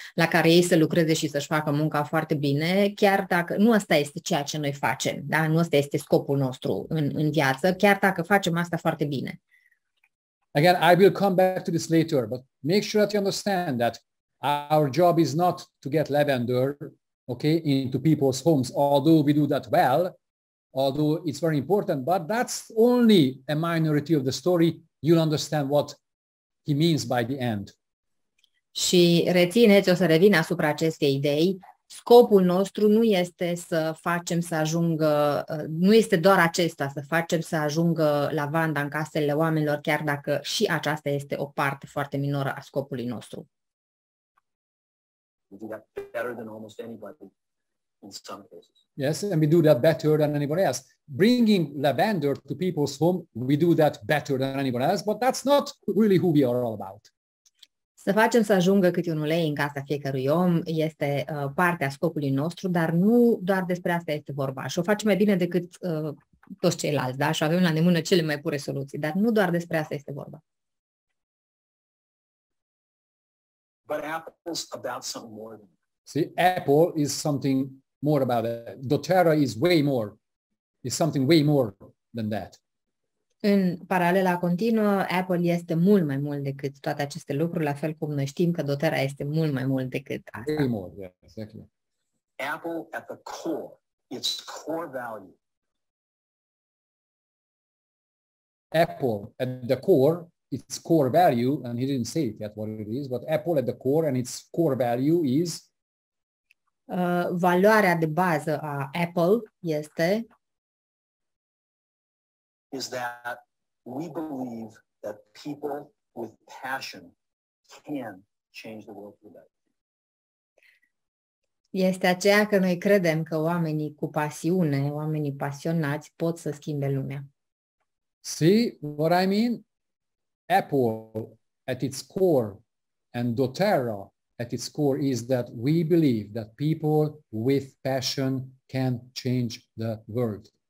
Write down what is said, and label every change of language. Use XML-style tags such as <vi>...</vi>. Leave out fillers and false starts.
<ro>La care ei să lucreze și să-și facă munca foarte bine, chiar dacă nu asta este ceea ce noi facem, da? Nu asta este scopul nostru în viață, chiar dacă facem asta foarte bine.</ro> <en>Again, I will come back to this later, but make sure that you understand that our job is not to get lavender. Okay, into people's homes, although we do that well, although it's very important, but that's only a minority of the story. You'll understand what he means by the end.</en> <ro>Și rețineți, o să revin asupra acestei idei. Scopul nostru nu este să facem să ajungă, nu este doar acesta, să facem să ajungă lavanda în casele oamenilor, chiar dacă și aceasta este o parte foarte minoră a scopului nostru.</ro> <en>We do that better than almost anybody in some cases. Yes, and we do that better than anybody else. Bringing lavender to people's home, we do that better than anybody else, but that's not really who we are all about.</en> <ro>Să facem să ajungă câte un ulei în casa fiecărui om este partea scopului nostru, dar nu doar despre asta este vorba. Și o facem mai bine decât toți ceilalți, da? Și avem la îndemână cele mai pure soluții, dar nu doar despre asta este vorba.</ro> <en>But Apple's about something more than that. See, Apple is something more about it. doTERRA is way more. It's something way more than that.</en> <ro>În paralela continuă, Apple este mult mai mult decât toate aceste lucruri, la fel cum noi știm că doTERRA este mult mai mult decât asta.</ro> <en>Way more, yeah, exactly. Apple at the core, its core value. Apple at the core. Its core value, and he didn't say it yet what it is, but Apple at the core and its core value is?</en> <ro>Valoarea de bază a Apple este?</ro> <en>Is that we believe that people with passion can change the world for better.</en> <ro>Este aceea că noi credem că oamenii cu pasiune, oamenii pasionați pot să schimbe lumea.</ro> <en>See what I mean? Apple at its core and doTERRA at its core is that we believe that people with passion can change the world.</en>